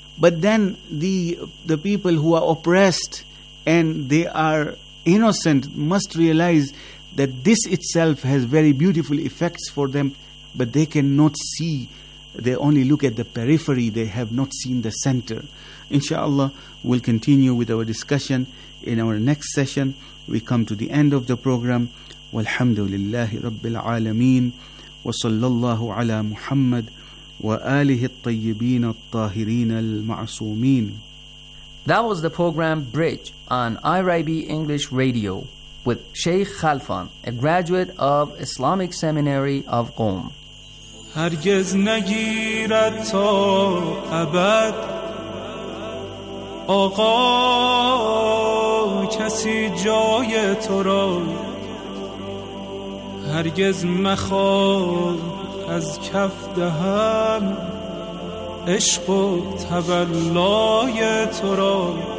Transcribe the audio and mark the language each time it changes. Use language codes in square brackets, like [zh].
[en] But then the people who are oppressed and they are innocent must realize that this itself has very beautiful effects for them, but they cannot see. They only look at the periphery, they have not seen the center. Inshallah, we'll continue with our discussion in our next session. We come to the end of the program. [ar] Walhamdulillahi Rabbil Alameen. وصلى الله على محمد وآله الطيبين الطاهرين المعصومين. [en] That was the program Bridge on IRIB English Radio with Sheikh Khalfan, a graduate of Islamic Seminary of Qom. [fa] هرگز نگیرد تا ابد آقا کسی جای تو را, هرگز مخواد از کف دهم عشق و تولای تو را,